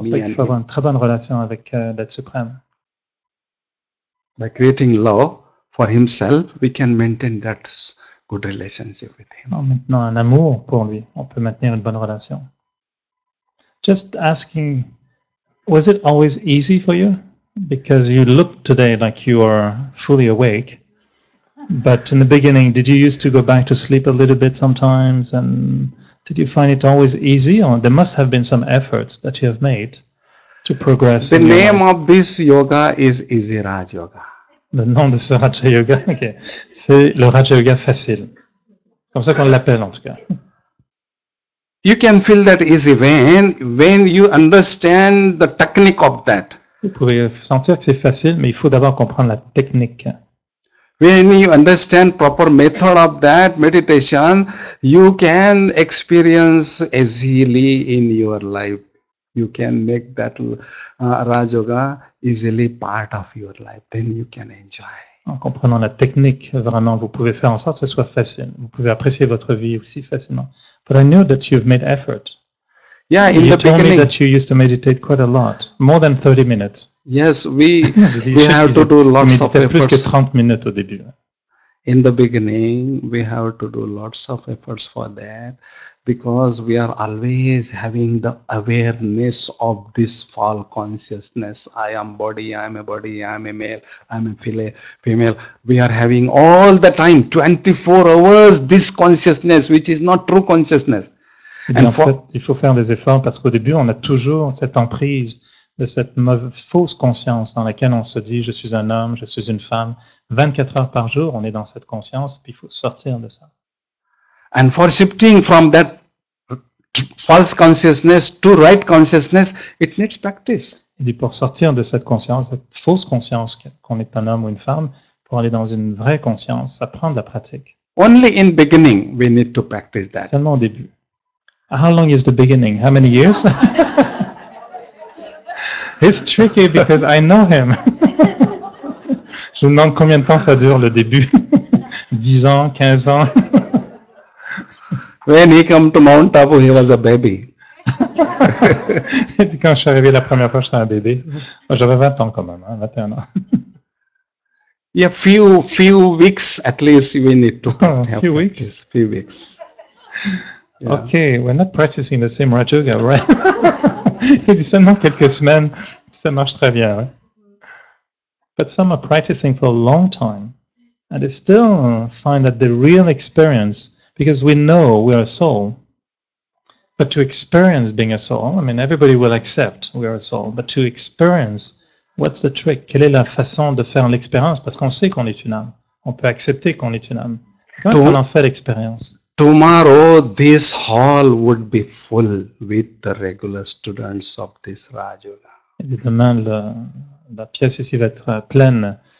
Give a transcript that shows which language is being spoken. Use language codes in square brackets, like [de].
[fr] C'est pour ça qu'il faut avoir une très bonne relation avec l'être suprême. [en] By creating love for himself, we can maintain that good relationship with him. [fr] En maintenant un amour pour lui, on peut maintenir une bonne relation. [en] Just asking, was it always easy for you? Because you look today like you are fully awake. But in the beginning, did you used to go back to sleep a little bit sometimes and did you find it always easy, or there must have been some efforts that you have made to progress? The name of this yoga is Easy Raj Yoga. [fr] Le nom de ce Raja Yoga, ok, c'est le Raja Yoga facile. Comme ça qu'on l'appelle en tout cas. [en] you can feel that easy when you understand the technique of that. [fr] Vous pouvez sentir que c'est facile, mais il faut d'abord comprendre la technique. [en] When you understand proper method of that meditation, you can experience easily in your life. You can make that Rajoga easily part of your life. Then you can enjoy. [fr] En comprenant la technique, vraiment, vous pouvez faire en sorte que ce soit facile. Vous pouvez apprécier votre vie aussi facilement. [en] But I know that you've made effort. Yeah, in you told beginning, me that you used to meditate quite a lot, more than 30 minutes. Yes, we have to do lots of efforts. [fr] Plus que 30 minutes au début. [en] In the beginning, we have to do lots of efforts for that, because we are always having the awareness of this false consciousness. I am body, I am a body, I am a male, I am a female. We are having all the time, 24 hours, this consciousness, which is not true consciousness. [fr] En fait, il faut faire des efforts parce qu'au début, on a toujours cette emprise de cette fausse conscience dans laquelle on se dit « je suis un homme, je suis une femme ». 24 heures par jour, on est dans cette conscience, puis il faut sortir de ça. [en] And for shifting from that false consciousness to right consciousness, it needs practice. [fr] Et pour sortir de cette conscience, cette fausse conscience qu'on est un homme ou une femme, pour aller dans une vraie conscience, ça prend de la pratique. [en] Only in beginning, we need to practice that. [fr] Seulement au début. [en] How long is the beginning? How many years? It's tricky because I know him. [fr] Je me demande combien de temps ça dure le début. 10 ans, 15 ans. [en] When he came to Mount Abu, he was a baby. [fr] Et puis quand je suis arrivé la première fois, j'étais un bébé. Moi, j'avais 20 ans quand même, hein, 21 ans. [en] Yeah, few weeks at least we need to. Few weeks. Yeah. Okay, we're not practicing the same Rajoga, right? [fr] Il dit seulement quelques semaines, ça marche très bien. [en] Right? But some are practicing for a long time, and they still find that the real experience, because we know we're a soul, but to experience being a soul, I mean, everybody will accept we're a soul, but to experience, what's the trick? [fr] Quelle est la façon de faire l'expérience? Parce qu'on sait qu'on est une âme. On peut accepter qu'on est une âme. Comment est-ce qu'on en fait l'expérience? [en] Tomorrow, this hall would be full with the regular students of this Rajoga. [fr] Et demain, la pièce ici va être pleine.